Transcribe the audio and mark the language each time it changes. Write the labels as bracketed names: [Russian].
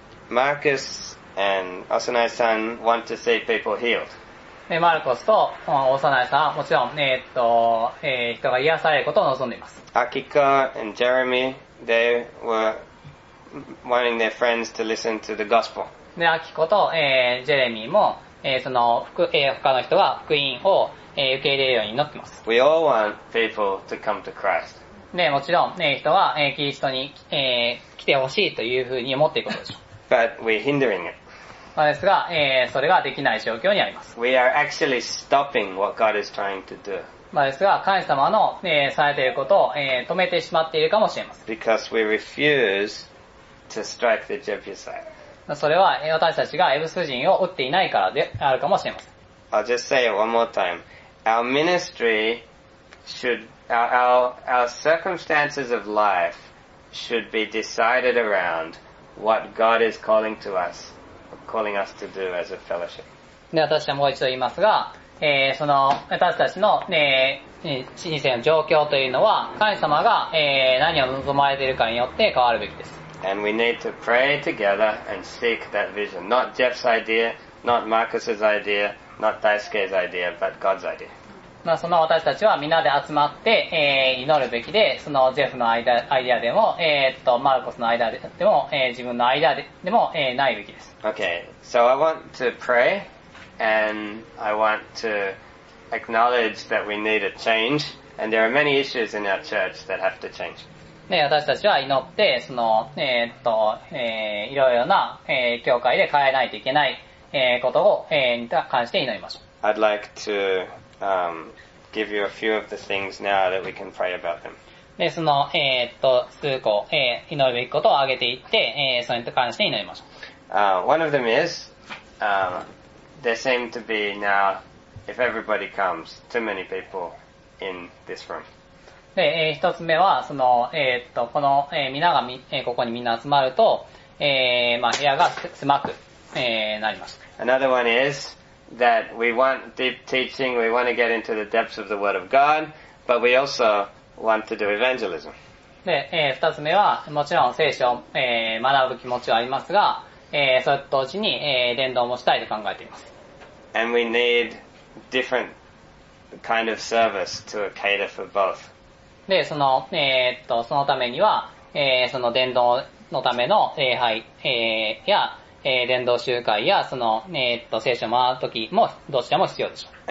[English] Marcus and Osanai san want to see people healed. [Japanese] で、マルコスと、Osanai さんはもちろん、人が癒されることを望んでいます。 [English] Akiko and Jeremy, they were wanting their friends to listen to the gospel. [Japanese] で、Akiko と、ジェレミーも、その、他の人が福音を、受け入れるように祈ってます。 [English] We all want people to come to Christ. [Japanese] で、もちろん、人は、キリストに、来てほしいというふうに思っていることでしょう。 [English] But we're hindering it. [Japanese] まあですが、それができない状況にあります。 [English] We are actually stopping what God is trying to do. [Japanese] まあですが、神様の、されていることを、止めてしまっているかもしれません。 [English] Because we refuse to strike the Jebusite. [Japanese] それは、私たちがエブス人を打っていないからであるかもしれません。 [English] I'll just say it one more time. Our ministry should, our circumstances of life should be decided around what God is calling us to do as a fellowship. [Japanese] 私はもう一度言いますが、その私たちの、人生の状況というのは神様が、何を望まれているかによって変わるべきです。 [English] And we need to pray together and seek that vision. Not Jeff's idea, not Marcus's idea, not Daisuke's idea, but God's idea. [Japanese] まあその私たちはみんなで集まって、祈るべきで、そのジェフのアイデアでも、マルコスのアイデアでも、自分のアイデアでも、ないべきです。 [English] Okay, so I want to pray and I want to acknowledge that we need a change and there are many issues in our church that have to change. [Japanese] ね、私たちは祈って、その、いろいろな、教会で変えないといけない、ことを、に関して祈りましょう。 [English] I'd like to, give you a few of the things now that we can pray about them. [Japanese] で、その、数個、祈るべきことを挙げていって、それに関して祈りましょう。 [English] One of them is, there seem to be now, if everybody comes, too many people in this room. [Japanese] で、一つ目は、その、この、皆が、ここにみんな集まると、まあ、部屋が狭く、なります。 [English] Another one is that we want deep teaching, we want to get into the depths of the Word of God, but we also want to do evangelism. [Japanese] で、二つ目は、もちろん聖書を、学ぶ気持ちはありますが、それと同時に、伝道もしたいと考えています。 [English] And we need different kind of service to cater for both. [Japanese] で、その、そのためには、その伝道のための礼拝、や、伝道集会や、その、聖書を回るときも、どちらも必要でしょう。